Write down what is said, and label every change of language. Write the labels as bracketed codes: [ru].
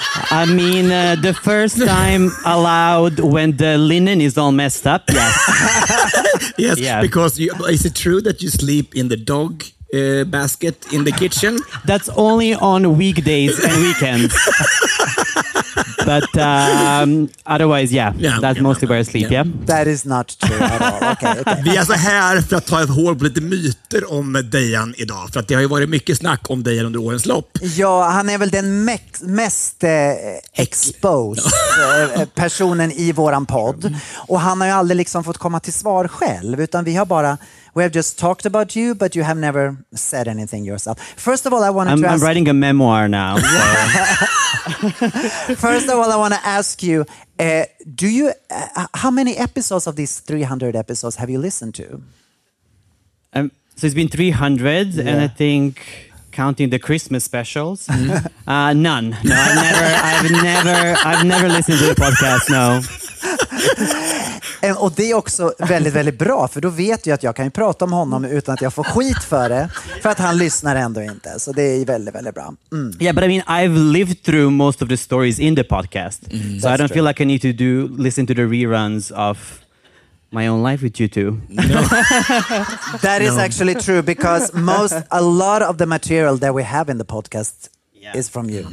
[en] I mean, the first time allowed when the linen is all messed up, yes. Yes, yeah. Because is it true that you sleep in the dog basket in the kitchen? That's only on weekdays and weekends. But otherwise, yeah, that's mostly where I sleep, yeah. That is not true at all. Okay, okay. [sv] Vi är så här för att ta ett hål på lite myter om Dejan idag. För att det har ju varit mycket snack om Dejan under årens lopp. Ja, han är väl den mest exposed personen i våran podd. Och han har ju aldrig liksom fått komma till svar själv. Utan vi har bara... [en] We have just talked about you, but you have never said anything yourself. First of all, I want to ask... I'm writing a memoir now. So. First of all, I want to ask you, do you? How many episodes of these 300 episodes have you listened to? So it's been 300, yeah. And I think, counting the Christmas specials, none. No, I've never listened to the podcast, no. [sv] Och det är också väldigt, väldigt bra, för då vet jag att jag kan ju prata om honom utan att jag får skit för det, för att han lyssnar ändå inte. Så det är väldigt, väldigt bra. Mm. [en] Yeah, but I mean, I've lived through most of the stories in the podcast. Mm. So that's I don't true. Feel like I need to listen to the reruns of my own life with you two. No. That is actually true, because a lot of the material that we have in the podcast is from you.